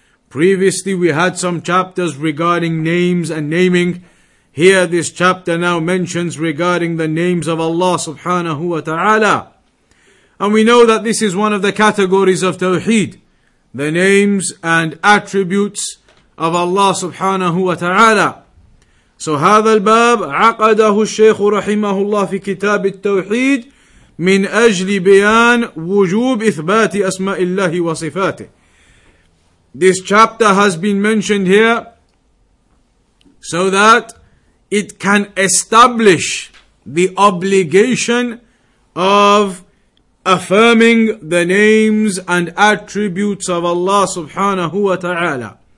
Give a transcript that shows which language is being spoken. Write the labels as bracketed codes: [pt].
[en] Previously we had some chapters regarding names and naming. Here this chapter now mentions regarding the names of Allah subhanahu wa ta'ala. And we know that this is one of the categories of Tawheed, the names and attributes of Allah subhanahu wa ta'ala. [ar] So هذا الباب عقده الشيخ رحمه الله في كتاب التوحيد من أجل بيان وجوب إثبات أسماء الله وصفاته. [en] This chapter has been mentioned here so that it can establish the obligation of affirming the names and attributes of Allah subhanahu wa ta'ala.